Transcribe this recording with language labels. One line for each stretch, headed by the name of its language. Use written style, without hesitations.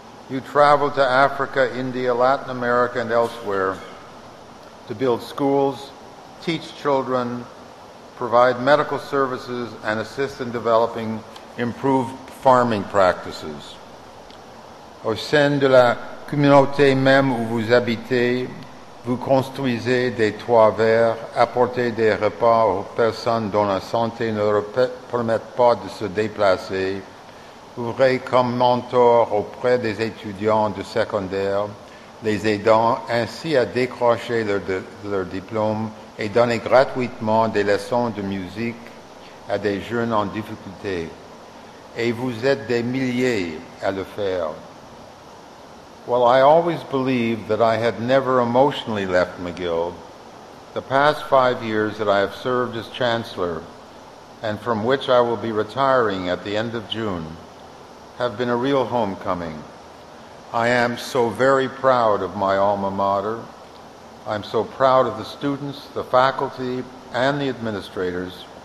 English: You travel to Africa, India, Latin America, and elsewhere to build schools, teach children, provide medical services, and assist in developing improved farming practices.
French: Au sein de la communauté même où vous habitez, vous construisez des toits verts, apportez des repas aux personnes dont la santé ne permet pas de se déplacer, ouvrez comme mentor auprès des étudiants de secondaire, les aidant ainsi à décrocher leur diplôme et donner gratuitement des leçons de musique à des jeunes en difficulté. Et vous êtes des milliers à le faire.
English: While I always believed that I had never emotionally left McGill, the past 5 years that I have served as Chancellor, and from which I will be retiring at the end of June, have been a real homecoming. I am so very proud of my alma mater. I'm so proud of the students, the faculty, and the administrators.